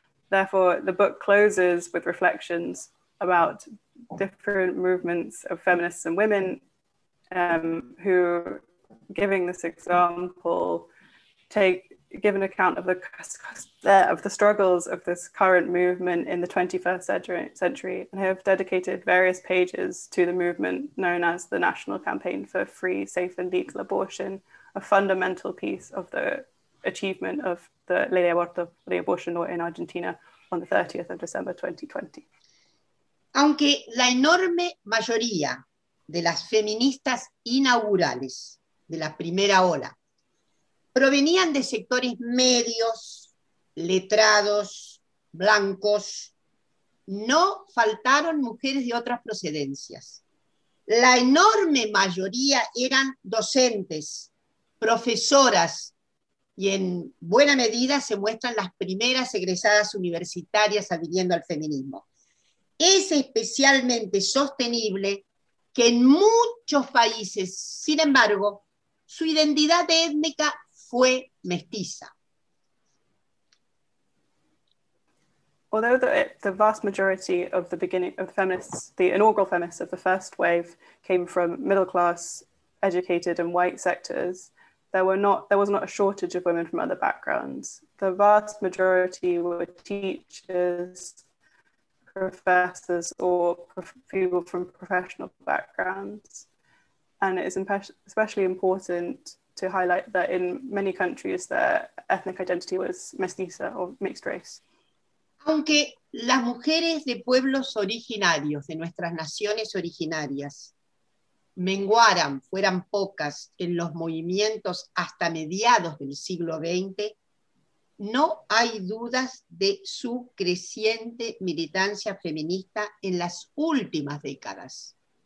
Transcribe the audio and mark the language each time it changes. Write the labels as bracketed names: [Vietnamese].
[English] Therefore, the book closes with reflections about different movements of feminists and women who, giving this example, take, give an account of the struggles of this current movement in the 21st century, and have dedicated various pages to the movement known as the National Campaign for Free, Safe, and Legal Abortion, a fundamental piece of the achievement of the Ley de Aborto, the abortion law in Argentina, on the 30th of December 2020. [Spanish] Aunque la enorme mayoría de las feministas inaugurales de la primera ola provenían de sectores medios, letrados, blancos, no faltaron mujeres de otras procedencias. La enorme mayoría eran docentes, profesoras, y en buena medida se muestran las primeras egresadas universitarias adhiriendo al feminismo. Es especialmente sostenible que en muchos países, sin embargo, su identidad étnica fue mestiza. [English] Although the vast majority of the beginning of feminists, the inaugural feminists of the first wave, came from middle class, educated, and white sectors, there was not a shortage of women from other backgrounds. The vast majority were teachers, professors, or people from professional backgrounds. And it is especially important to highlight that in many countries, their ethnic identity was mestiza, or mixed race. [Spanish] Aunque las mujeres de pueblos originarios, de nuestras naciones originarias, menguaran, fueran pocas en los movimientos hasta mediados del siglo XX, no hay dudas de su creciente militancia feminista en las últimas décadas.